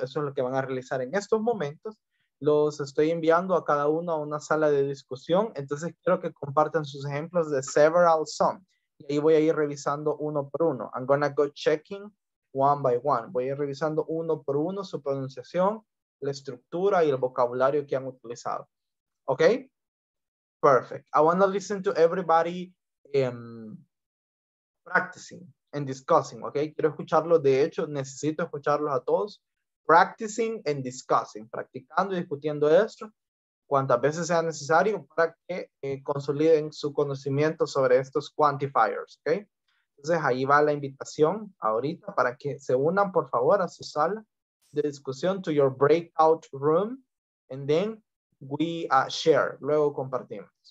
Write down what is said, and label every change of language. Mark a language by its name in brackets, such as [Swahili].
[Spanish] Eso es lo que van a realizar en estos momentos. Los estoy enviando a cada uno a una sala de discusión. Entonces quiero que compartan sus ejemplos de several some. Y ahí voy a ir revisando uno por uno. [English] I'm gonna go checking one by one. [Spanish] Voy a ir revisando uno por uno su pronunciación, la estructura y el vocabulario que han utilizado. [English] Okay? Perfect. I want to listen to everybody practicing and discussing, okay? [Spanish] Quiero escucharlos, de hecho, necesito escucharlos a todos. [English] Practicing and discussing, [Spanish] practicando y discutiendo esto, cuantas veces sea necesario para que consoliden su conocimiento sobre estos quantifiers, okay? Entonces, ahí va la invitación ahorita para que se unan, por favor, a su sala de discusión, [English] to your breakout room, and then we share, [Spanish] luego compartimos.